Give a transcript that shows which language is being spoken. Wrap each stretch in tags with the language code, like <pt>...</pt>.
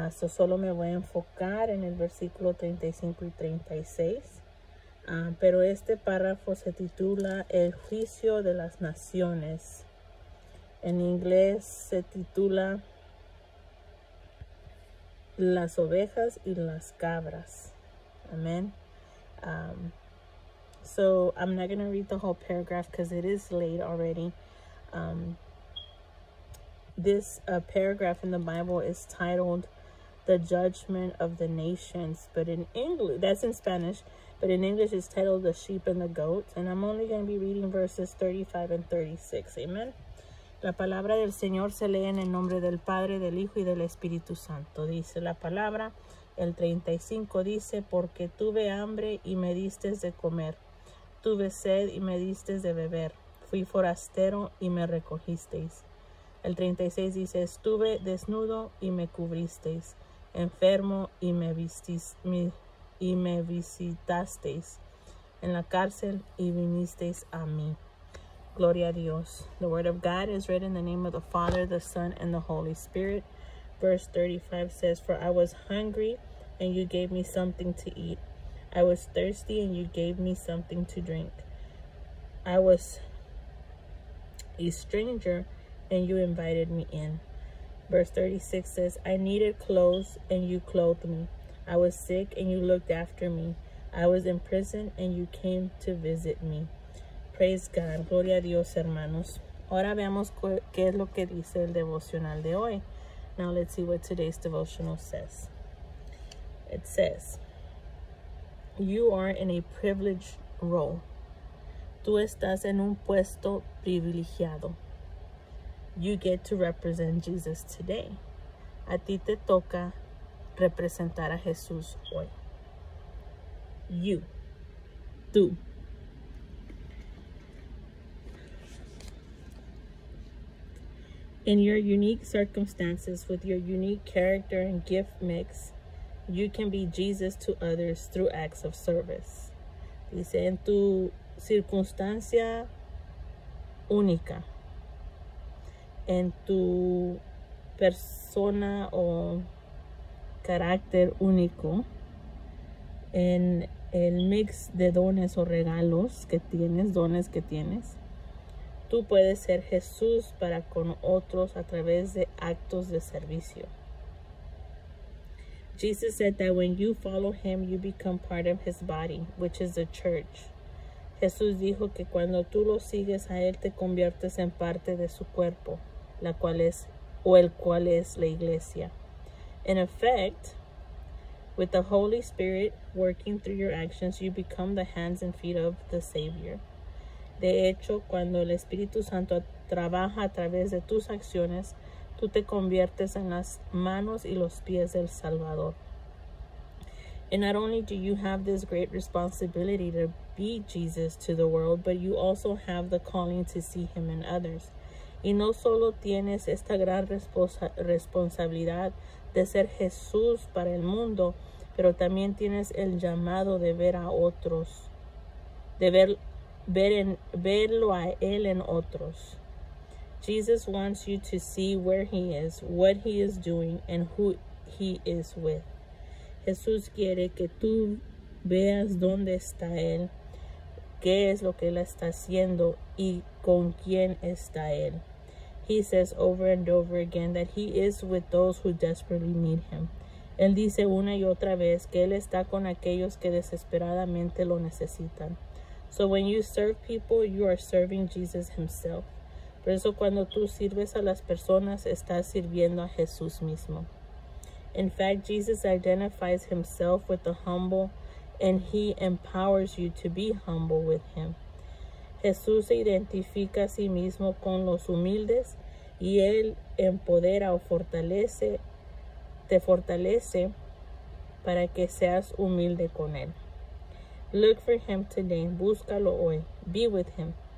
<es>Solo me voy a enfocar en el versículo 35 y 36. Pero este párrafo se titula El Juicio de las Naciones. En inglés se titula Las Ovejas y las Cabras. Amén.</es> <en>So I'm not going to read the whole paragraph because it is late already. This paragraph in the Bible is titled The Judgment of the Nations. But in English, that's in Spanish. But in English, it's titled The Sheep and the Goats. And I'm only going to be reading verses 35 and 36. Amen.</en> <es>La palabra del Señor se lee en el nombre del Padre, del Hijo y del Espíritu Santo. Dice la palabra, el 35 dice, porque tuve hambre y me diste de comer. Tuve sed y me diste de beber. Fui forastero y me recogisteis. El 36 dice, estuve desnudo y me cubristeis. Enfermo y me vistis, me visitasteis en la cárcel y vinisteis a mí. Gloria a Dios.</es> <en>The word of God is written in the name of the Father, the Son, and the Holy Spirit. Verse 35 says, for I was hungry and you gave me something to eat. I was thirsty and you gave me something to drink. I was a stranger and you invited me in. Verse 36 says, I needed clothes and you clothed me. I was sick and you looked after me. I was in prison and you came to visit me. Praise God.</en> <es>Gloria a Dios, hermanos. Ahora veamos qué es lo que dice el devocional de hoy.</es> <en>Now let's see what today's devotional says. It says, you are in a privileged role.</en> <es>Tú estás en un puesto privilegiado.</es> <en>You get to represent Jesus today.</en> <es>A ti te toca representar a Jesús hoy.</es> <en>You.</en> <es>Tú.</es> <en>In your unique circumstances, with your unique character and gift mix, you can be Jesus to others through acts of service.</en> <es>Dice, en tu circunstancia única, en tu persona o carácter único, en el mix de dones o regalos que tienes, dones que tienes, tú puedes ser Jesús para con otros a través de actos de servicio.</es> <en>Jesus said that when you follow him, you become part of his body, which is the church.</en> <es>Jesús dijo que cuando tú lo sigues a él, te conviertes en parte de su cuerpo, la cual es, o el cual es la iglesia.</es> <en>In effect, with the Holy Spirit working through your actions, you become the hands and feet of the Savior.</en> <es>De hecho, cuando el Espíritu Santo trabaja a través de tus acciones, tú te conviertes en las manos y los pies del Salvador.</es> <en>And not only do you have this great responsibility to be Jesus to the world, but you also have the calling to see him in others.</en> <es>Y no solo tienes esta gran responsabilidad de ser Jesús para el mundo, pero también tienes el llamado de ver a otros, de verlo a él en otros.</es> <en>Jesus wants you to see where he is, what he is doing, and who he is with.</en> <es>Jesús quiere que tú veas dónde está él, qué es lo que él está haciendo, y con quién está él.</es> <en>He says over and over again that he is with those who desperately need him.</en> <es>Él dice una y otra vez que él está con aquellos que desesperadamente lo necesitan.</es> <en>So when you serve people, you are serving Jesus himself.</en> <es>Por eso cuando tú sirves a las personas, estás sirviendo a Jesús mismo.</es> <en>In fact, Jesus identifies himself with the humble, and he empowers you to be humble with him.</en> <es>Jesús se identifica a sí mismo con los humildes, y él empodera o fortalece, te fortalece para que seas humilde con él.</es> <en>Look for him today.</en> <es>Búscalo hoy.</es> <en>Be with him.</en>